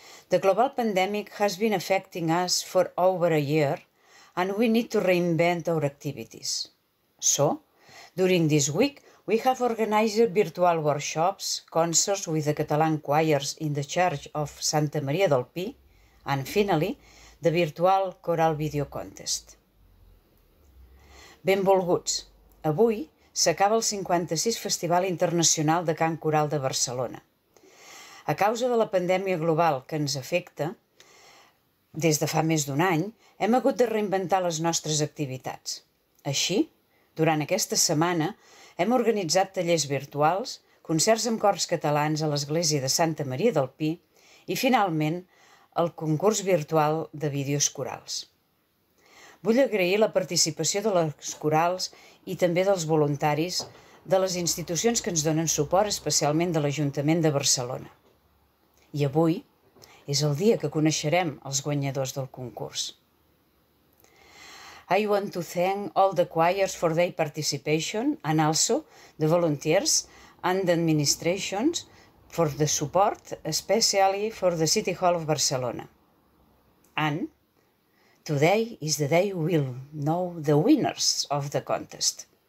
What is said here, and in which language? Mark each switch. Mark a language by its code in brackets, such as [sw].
[en] The global pandemic has been affecting us for over a year and we need to reinvent our activities. So, during this week, we have organized virtual workshops, concerts with the Catalan choirs in the Church of Santa Maria del Pi, and finally, the virtual choral video contest. [ca] Benvolguts, avui s'acaba el 56 Festival Internacional de Cant Coral de Barcelona. A causa de la pandèmia global que ens afecta, des de fa més d'un any, hem hagut de reinventar les nostres activitats. Així, durant aquesta setmana, hem organitzat tallers virtuals, concerts amb cors catalans a l'Església de Santa Maria del Pi i, finalment, el concurs virtual de vídeos corals. Vull agrair la participació de les corals i també dels voluntaris de les institucions que ens donen suport, especialment de l'Ajuntament de Barcelona. I avui és el dia que coneixerem els guanyadors del concurs. [en] I want to thank all the choirs for their participation and also the volunteers and the administrations for the support, especially for the City Hall of Barcelona. And today is the day we'll know the winners of the contest.